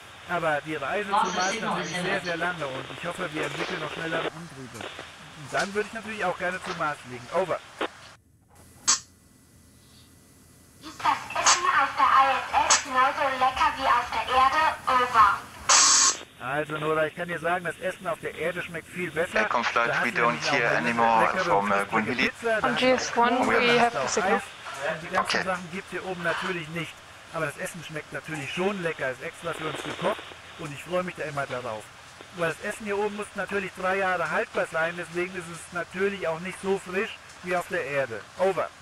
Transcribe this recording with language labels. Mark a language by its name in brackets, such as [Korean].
[German] Aber die Reise zum Mars ist natürlich sehr, sehr lange. Und ich hoffe, wir entwickeln noch schnellere Antriebe. Und dann würde ich natürlich auch gerne zum Mars fliegen. Over. Ist das Essen auf der ISS genauso lecker wie auf der Erde? Over. Also Nora, ich kann dir sagen, das Essen auf der Erde schmeckt viel besser. [English] Hey, come flight, we don't hear anymore from Queen Lily. On GS1, we have the signal. [German] Die ganzen Sachen gibt es hier oben natürlich nicht. Aber das Essen schmeckt natürlich schon lecker, ist extra für uns gekocht und ich freue mich da immer darauf. Weil das Essen hier oben muss natürlich 3 Jahre haltbar sein, deswegen ist es natürlich auch nicht so frisch, wie auf der Erde. Over.